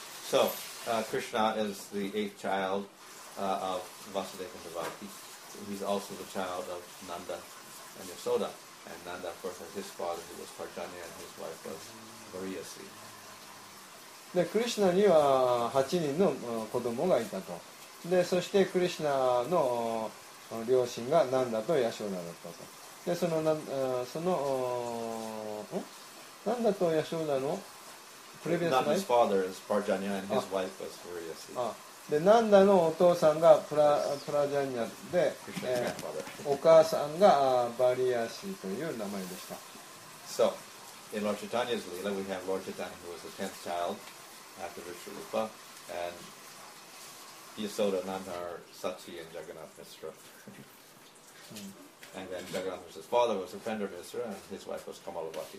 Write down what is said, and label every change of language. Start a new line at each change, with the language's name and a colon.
English: So, Krishna is the eighth child of Vasudeva and Devaki. He's also the child of Nanda and Yasoda. And Nanda, of course, his father, who was Parjanya, and his wife was Variyasi.
Japanese: で、クリシナには8人の子供がいたと。で、そしてクリシナの両親がナンダとヤショーダだったと。で、その、ナンダとヤショーダのプレビアスライフ。
English: Nanda's father is Parjanya, and his wife was Variyasi.
Japanese: でナンダのお父さんがプラジャニアで、お母さんがバリアシという名前でした。
English: So, in Lord Chaitanya's Leela, we have Lord Chaitanya, who was the tenth child after Vishwarupa, and Yasoda, Nandar, Sachi, and Jagannath Misra. And then Jagannath Misra's father was a friend of Misra, and his wife was Kamalabati.